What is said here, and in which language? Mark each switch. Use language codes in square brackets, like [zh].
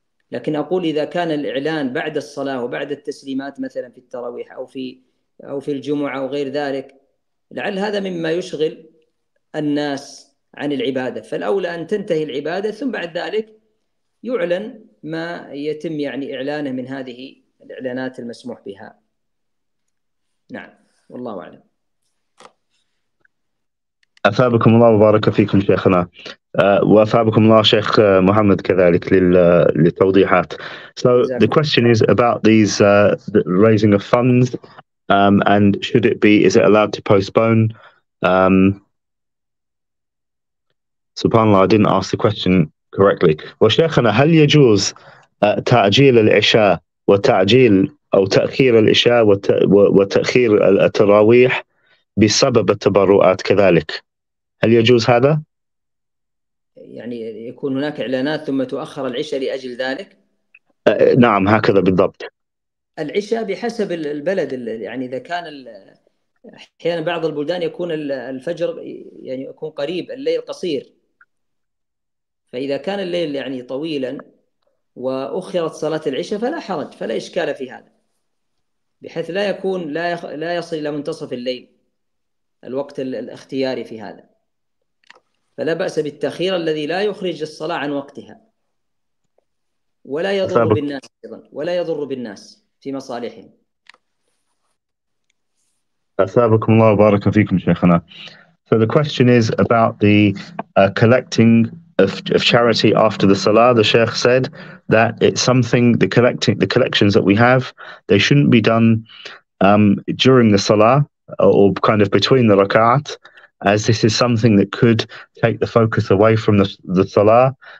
[ar] لكن أقول إذا كان الإعلان بعد الصلاة وبعد التسليمات مثلا في التراويح أو في الجمعة أو غير ذلك، لعل هذا مما يشغل الناس عن العبادة، فالأولى أن تنتهي العبادة ثم بعد ذلك يعلن ما يتم يعني إعلانه من هذه الإعلانات المسموح بها. نعم، والله أعلم. أثابكم الله وبارك فيكم شيخنا، وأثابكم الله شيخ محمد كذلك للتوضيحات. [en] So the question is about these raising of funds. And should it be, is it allowed to postpone? SubhanAllah, I didn't ask the question correctly. [ar] Well, Shaykhana, هل يجوز تأجيل العشاء وتأجيل أو تأخير العشاء وتأخير التراويح بسبب التبرعات كذلك؟ هل يجوز هذا؟ يعني يكون هناك إعلانات ثم تؤخر العشاء لأجل ذلك؟ نعم، هكذا بالضبط. العشاء بحسب البلد، يعني إذا كان أحيانا بعض البلدان يكون الفجر يعني يكون قريب، الليل قصير، فإذا كان الليل يعني طويلا وأخرت صلاة العشاء فلا حرج، فلا إشكال في هذا، بحيث لا يكون لا يصل إلى منتصف الليل الوقت الاختياري في هذا، فلا بأس بالتأخير الذي لا يخرج الصلاة عن وقتها ولا يضر بالناس أيضا، ولا يضر بالناس في مصالحهم. أثابكم الله وبارك فيكم شيخنا. [en] So the question is about the collecting of charity after the salah. The sheikh said that it's something, the collections that we have, they shouldn't be done during the salah or kind of between the rakat, as this is something that could take the focus away from the salah.